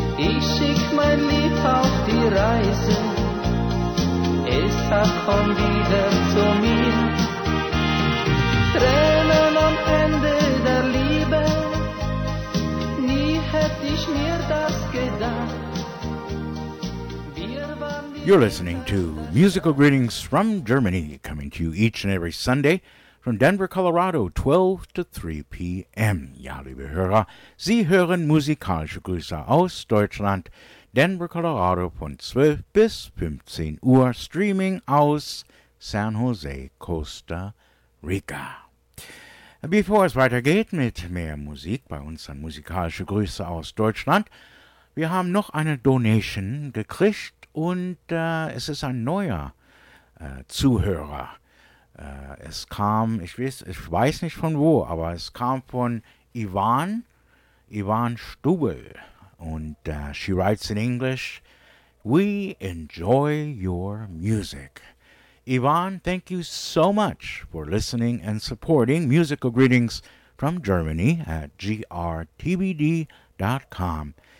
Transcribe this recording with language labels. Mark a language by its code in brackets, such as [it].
[de] Ich schick mein Lied auf die Reise, es sagt, komm wieder zu mir. Tränen am Ende der Liebe, nie hätte ich mir das gedacht. [en] You're listening to Musical Greetings from Germany, coming to you each and every Sunday from Denver, Colorado, 12 to 3 p.m. [de] Ja, liebe Hörer, Sie hören musikalische Grüße aus Deutschland, Denver, Colorado, von 12 bis 15 Uhr, streaming aus San Jose, Costa Rica. Bevor es weitergeht mit mehr Musik bei uns, dann musikalische Grüße aus Deutschland. Wir haben noch eine Donation gekriegt und es ist ein neuer Zuhörer. Es kam, ich weiß nicht von wo, aber es kam von Ivan Stubel. [en] Und she writes in English, "We enjoy your music." Ivan, thank you so much for listening and supporting Musical Greetings from Germany at grtbd.com.